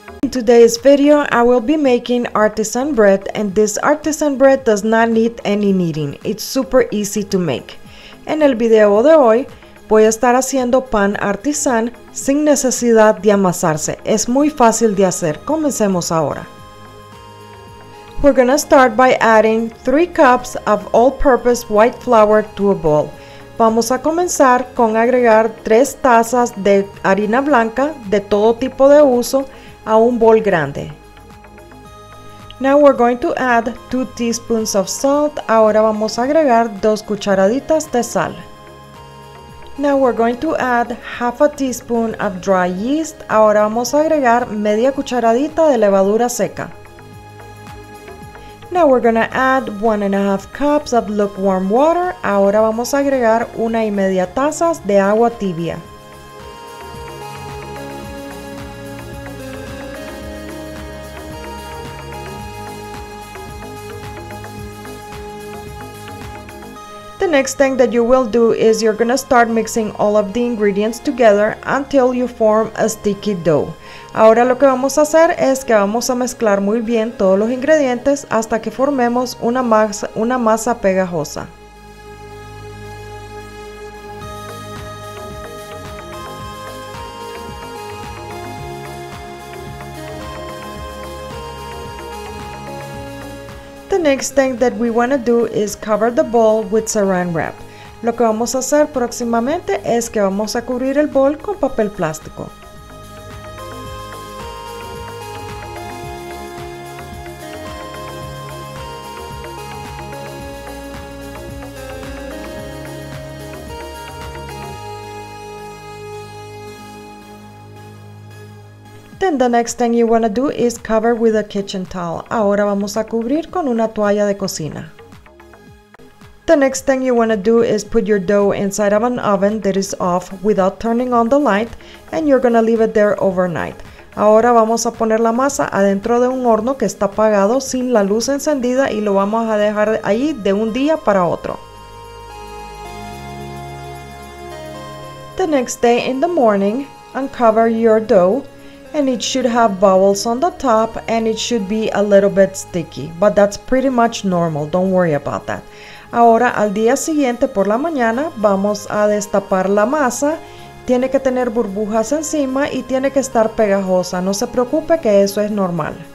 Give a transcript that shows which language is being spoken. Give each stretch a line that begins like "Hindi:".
English: today's video, I will be making artisan bread, and this artisan bread does not need any kneading. It's super easy to make.
Spanish: En el video de hoy, voy a estar haciendo pan artisan sin necesidad de amasarse. Es muy fácil de hacer. Comencemos ahora.
English: We're gonna start by adding 3 cups of all-purpose white flour to a bowl.
Spanish: Vamos a comenzar con agregar 3 tazas de harina blanca de todo tipo de uso a un bol grande.
English: Now we're going to add 2 teaspoons of salt.
Spanish: Ahora vamos a agregar 2 cucharaditas de sal.
English: Now we're going to add 1/2 teaspoon of dry yeast.
Spanish: Ahora vamos a agregar 1/2 cucharadita de levadura seca.
English: Now we're gonna add 1.5 cups of lukewarm water.
Spanish: Ahora vamos a agregar 1.5 tazas de agua tibia.
English: The next thing that you will do is you're gonna start mixing all of the ingredients together until you form a sticky dough.
Spanish: Ahora lo que vamos a hacer es que vamos a mezclar muy bien todos los ingredientes hasta que formemos una masa pegajosa.
English: The next thing that we want to do is cover the bowl with saran wrap.
Spanish: Lo que vamos a hacer próximamente es que vamos a cubrir el bowl con papel plástico.
English: Then the next thing you want to do is cover with a kitchen towel.
Spanish: Ahora vamos a cubrir con una toalla de cocina.
English: The next thing you want to do is put your dough inside of an oven that is off without turning on the light, and you're going to leave it there overnight.
Spanish: Ahora vamos a poner la masa adentro de un horno que está apagado sin la luz encendida y lo vamos a dejar ahí de un día para otro.
English: The next day in the morning, uncover your dough. And it should have bubbles on the top, and it should be a little bit sticky, but that's pretty much normal, don't worry about that.
Spanish: Ahora, al día siguiente por la mañana, vamos a destapar la masa. Tiene que tener burbujas encima y tiene que estar pegajosa, no se preocupe que eso es normal.